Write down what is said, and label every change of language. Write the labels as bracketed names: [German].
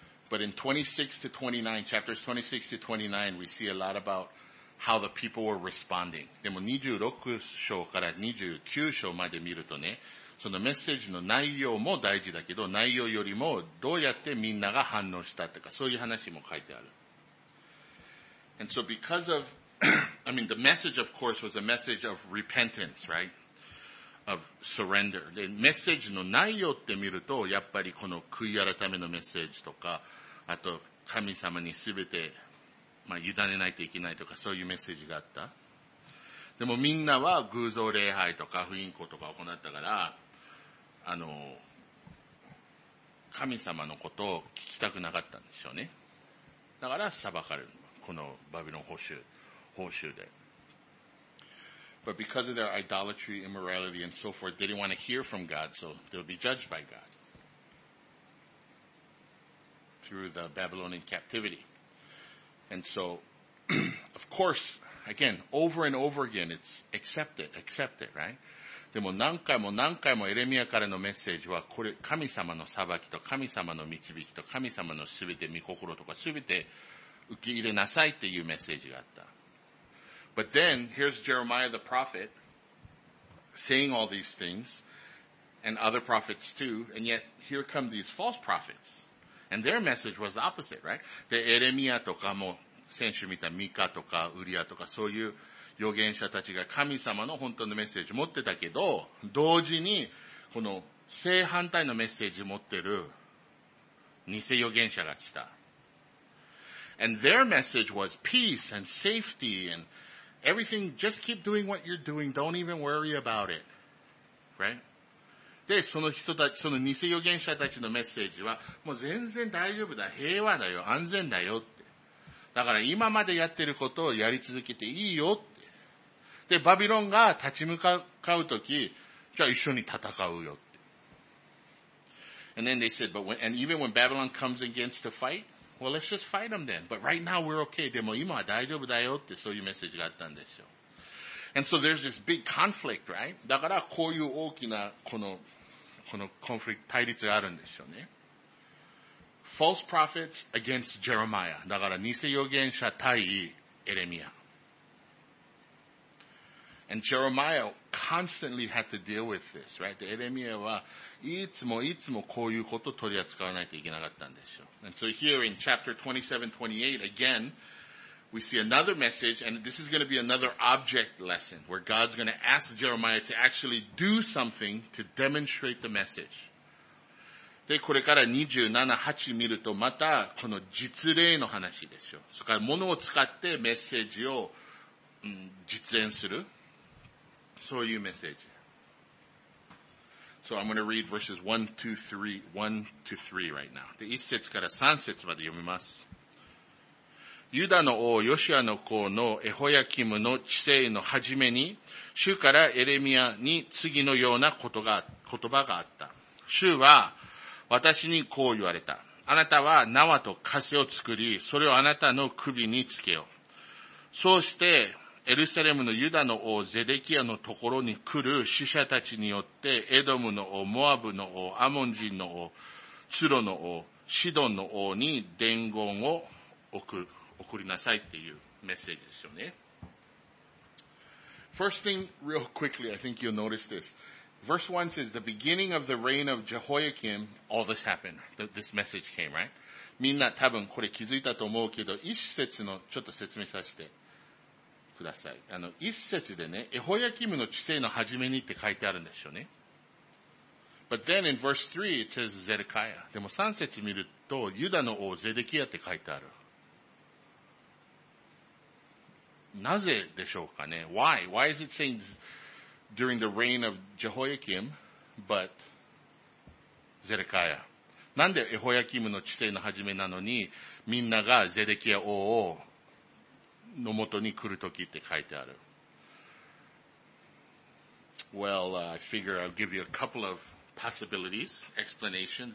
[English] But in 26 to 29, chapters 26 to 29, we see a lot about how the people were responding. [Japanese] でも26章から29章まで見るとね、そのメッセージの内容も大事だけど、内容よりもどうやってみんなが反応したとか、そういう話も書いてある。 [English] And so because of, I mean, the message of course was a message of repentance, right? Of surrender. [Japanese] で、メッセージの内容って見ると、やっぱりこの悔い改めのメッセージとか、あと神様にすべてまあ、委ねないといけないとか、そういうメッセージがあった。でもみんなは偶像礼拝とか、婦人講とか行ったから、神様のことを聞きたくなかったんでしょうね。だから裁かれる。このバビロン報酬で。 [English] But because of their idolatry, immorality, and so forth, they didn't want to hear from God, so they'll be judged by God. Through the Babylonian captivity. And so, of course, again, over and over again, it's accept it, right? [Japanese] でも何回も何回もエレミアからのメッセージは、これ、神様の裁きと神様の導きと神様のすべて、御心とかすべて受け入れなさいっていうメッセージがあった。 [English] But then, here's Jeremiah the prophet, saying all these things, and other prophets too, and yet, here come these false prophets. And their message was the opposite, right? [Japanese] で、エレミアとかも、先週見たミカとかウリアとか、そういう預言者たちが神様の本当のメッセージ持ってたけど、同時に、この正反対のメッセージ持ってる偽預言者が来た。 [English] And their message was peace and safety and everything, just keep doing what you're doing, don't even worry about it, right? [Japanese] で、その人たち、その偽預言者たちのメッセージは、もう全然大丈夫だ、平和だよ、安全だよって。だから今までやってることをやり続けていいよって。で、バビロンが立ち向かうとき、じゃあ一緒に戦うよって。 [English] And then they said, but when, and even when Babylon comes against to fight, well, let's just fight them then. But right now we're okay. [Japanese] でも今は大丈夫だよって、そういうメッセージがあったんですよ。 [English] And so there's this big conflict, right? [Japanese] だからこういう大きなこのコンフリクト、対立があるんでしょうね。 [English] False prophets against Jeremiah. [Japanese] だから偽預言者対エレミア。 [English] And Jeremiah constantly had to deal with this, right? [Japanese] エレミアはいつもいつもこういうことを取り扱わないといけなかったんでしょう。 [English] And so here in chapter 27-28, again,We see another message, and this is going to be another object lesson, where God's going to ask Jeremiah to actually do something to demonstrate the message. [Japanese] で、これから27、8見ると、また、この実例の話でしょ。それから、物を使ってメッセージを、実演する。そういうメッセージ。 [English] So I'm going to read verses 1 to 3 right now. [Japanese] で、1節から3節まで読みます。ユダの王ヨシアの子のエホヤキムの治世の初めに、主からエレミアに次のような言葉があった。主は私にこう言われた。あなたは縄と枷を作り、それをあなたの首につけよう。そうしてエルサレムのユダの王ゼデキヤのところに来る使者たちによって、エドムの王、モアブの王、アモン人の王、ツロの王、シドンの王に伝言を送る。送りなさいっていうメッセージですよね。 [English] First thing, real quickly, I think you'll notice this. Verse 1 says, the beginning of the reign of Jehoiakim, all this happened. This message came, right? [Japanese] みんな多分これ気づいたと思うけど、一節のちょっと説明させてください。一節でね、エホヤキムの治世の始めにって書いてあるんですよね。 [English] But then in verse 3, it says Zedekiah. [Japanese] でも3節見ると、ユダの王ゼデキヤって書いてある。なぜでしょうかね [English] ?Why?Why is it saying during the reign of Jehoiakim, but Zedekiah? [Japanese] なんでエホヤキムの治世の始めなのに、みんながゼデキヤ王をのもとに来るときって書いてある。 [English] Well, I figure I'll give you a couple of possibilities, explanations.